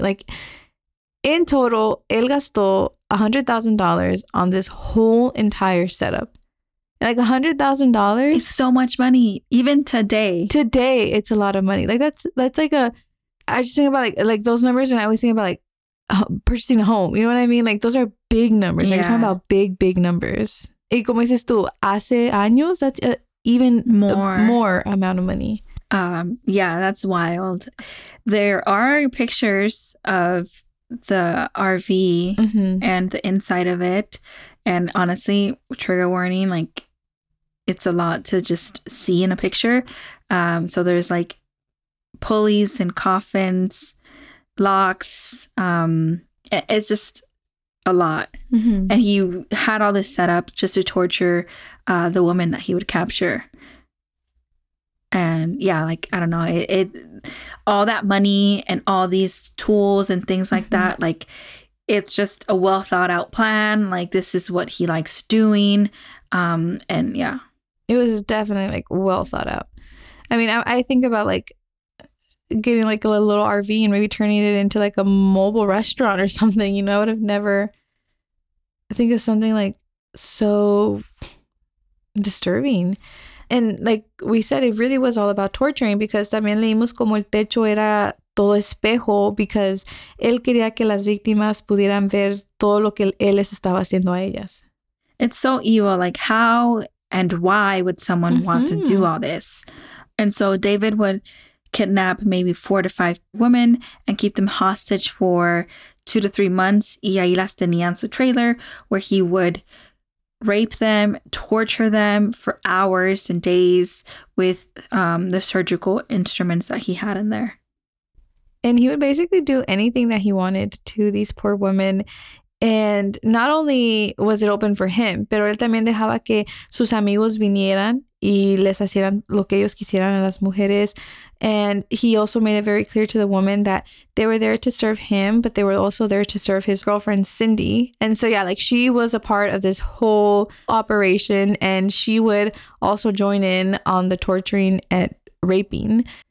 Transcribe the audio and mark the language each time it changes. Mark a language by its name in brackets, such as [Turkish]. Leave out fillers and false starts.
[English] Like, in total, [Spanish] él gastó [English] $100,000 on this whole entire setup. Like, $100,000? It's so much money, even today. Today, it's a lot of money. Like, that's like a, I just think about like those numbers, and I always think about like purchasing a home. You know what I mean? Like, those are big numbers. Yeah. Like, you're talking about big, big numbers. [Spanish] Y como dices tú, hace años, [English] that's even more amount of money. Yeah, that's wild. There are pictures of the RV mm-hmm. and the inside of it. And honestly, trigger warning, like, it's a lot to just see in a picture. So there's like pulleys and coffins, locks. It's just a lot. Mm-hmm. And he had all this set up just to torture the woman that he would capture. And yeah, like, I don't know, it all that money and all these tools and things like mm-hmm. that, like, it's just a well thought out plan. Like, this is what he likes doing. And yeah, it was definitely like well thought out. I mean, I think about like getting like a little RV and maybe turning it into like a mobile restaurant or something, you know. I would have never think of something like so disturbing. And like we said, it really was all about torturing, because [Spanish] también leímos como el techo era todo espejo, [English] because [Spanish] él quería que las víctimas pudieran ver todo lo que él les estaba haciendo a ellas. [English] It's so evil. Like, how and why would someone mm-hmm. want to do all this? And so David would kidnap maybe 4 to 5 women and keep them hostage for 2 to 3 months. [Spanish] Y ahí las tenía en su trailer, [English] where he would rape them, torture them for hours and days with the surgical instruments that he had in there. And he would basically do anything that he wanted to these poor women. And not only was it open for him, [Spanish] pero él también dejaba que sus amigos vinieran y les hicieran lo que ellos quisieran a las mujeres. [English] And he also made it very clear to the woman that they were there to serve him, but they were also there to serve his girlfriend, Cindy. And so, yeah, like, she was a part of this whole operation, and she would also join in on the torturing and raping.